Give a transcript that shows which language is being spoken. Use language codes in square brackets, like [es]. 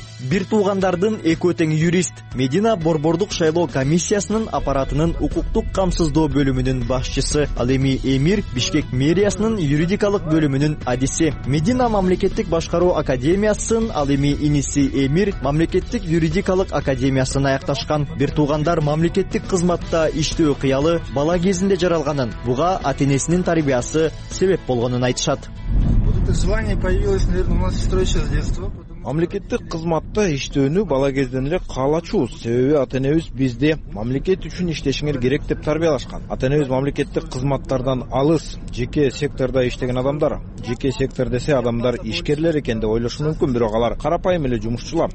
[ky] Бир туугандардын экөө тең юрист Медина борбордук шайлоо комиссиясынын аппаратынын укуктук камсыздоо бөлүмүнүн башчысы, ал эми Эмир Бишкек мэриясынын юридикалык бөлүмүнүн адиси. Медина мамлекеттик башкаруу академиясын, ал эми иниси Эмир мамлекеттик юридикалык академиясын аякташкан. Бир туугандар мамлекеттик кызматта иштөө кыялы бала кезинде жаралганын, буга ата энесинин тарбиясы себеп болгонун айтышат. [ru] Желание появилось, наверное, у нас сестрой еще с детства. [ky] Мамлекеттик кызматта иштөөнү бала кезден эле каалачубуз. Себеби ата энебиз бизди мамлекет үчүн иштешиңер керек деп тарбиялашкан. Ата энебиз мамлекеттик кызматтардан алыс, жеке секторда иштеген адамдар. Жеке сектор десе адамдар ишкерлер экен деп ойлошу мүмкүн, бирок алар карапайым эле жумушчулар.